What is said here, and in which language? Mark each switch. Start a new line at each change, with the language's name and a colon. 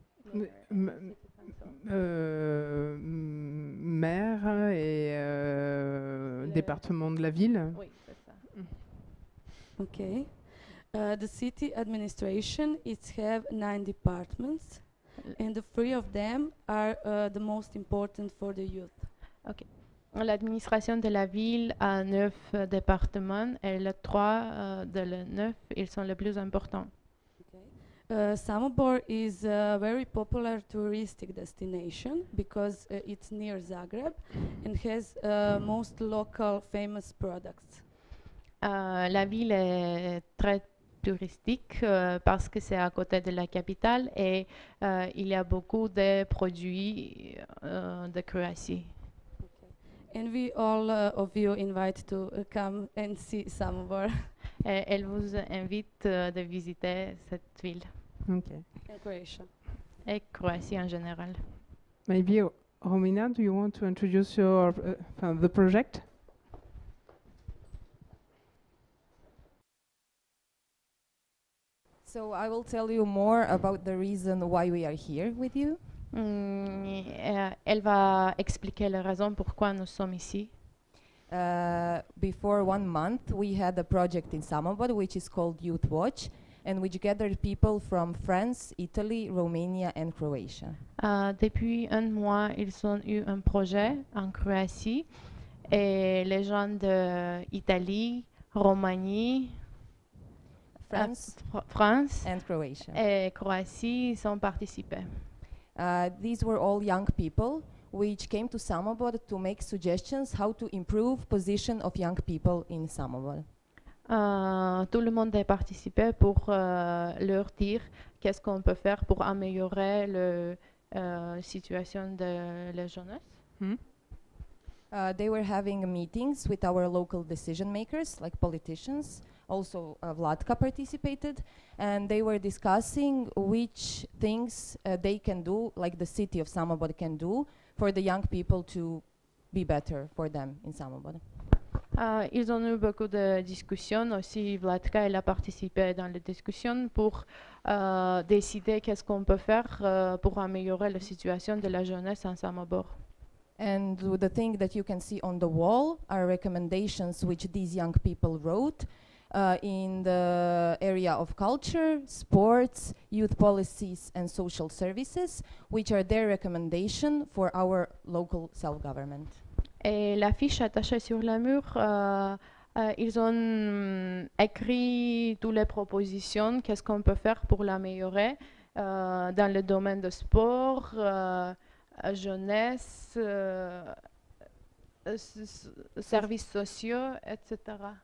French: Maire et département de la ville. Oui, c'est ça. OK.
English: The city administration, it have 9 departments. And the 3 of them are the most important for the youth. OK.
French: L'administration de la ville a 9 départements et les 3 de les 9, ils sont les plus importants.
English: Samobor is a very popular touristic destination because it's near Zagreb and has most local famous products.
French: La ville est très touristique parce que c'est à côté de la capitale et il y a beaucoup de produits de Croatie.
English: And we all of you invite to come and see Samobor.
French: Elle vous invite de visiter cette ville.
English: Okay. And Croatia. And Croatia in general. Maybe Romina, do you want to introduce your the project? So I will tell you more about the reason why we are here with you.
French: Elle va expliquer la raison pourquoi nous sommes ici.
English: Before 1 month, we had a project in Samobor, which is called Youth Watch, and which gathered people from France, Italy, Romania, and Croatia.
French: Depuis un mois, ils ont eu un projet en Croatie, et les gens de Italie, Roumanie,
English: France, and Croatia.
French: Et Croatie sont participés.
English: These were all young people which came to Samobor to make suggestions how to improve position of young people in Samobor. Tout le monde a participé pour leur dire qu'est-ce qu'on peut faire pour améliorer la situation de la jeunesse. They were having meetings with our local decision makers, like politicians. Also, Vladka participated, and they were discussing which things they can do, like the city of Samobor can do, for the young people to be better for them in Samobor.
French: Ils ont eu beaucoup de discussions aussi. Vladka, elle a participé dans les discussions pour décider qu'est-ce qu'on peut faire pour améliorer la situation de la jeunesse en Samobor.
English: And the thing that you can see on the wall are recommendations which these young people wrote in the area of culture, sports, youth policies and social services, which are their recommendation for our local self-government.
French: Et l'affiche attachée sur le mur, ils ont écrit toutes les propositions, qu'est-ce qu'on peut faire pour l'améliorer dans le domaine de sport, jeunesse, services sociaux, etc.